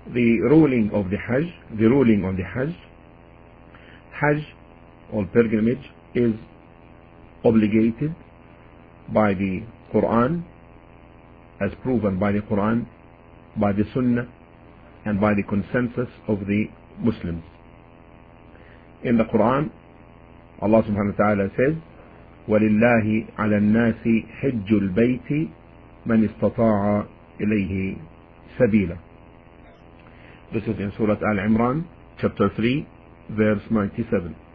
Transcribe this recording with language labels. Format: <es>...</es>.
<en>The ruling on the Hajj, Hajj or pilgrimage is obligated by the Quran, as proven by the Quran, by the Sunnah, and by the consensus of the Muslims. In the Quran, Allah subhanahu wa ta'ala says,</en> <ar>وَلِلَّهِ عَلَى النَّاسِ حِجُّ الْبَيْتِ مَنْ اسْتَطَاعَ إِلَيْهِ سَبِيلًا.</ar> <en>This is in Surah Al-Imran, chapter 3, verse 97.</en>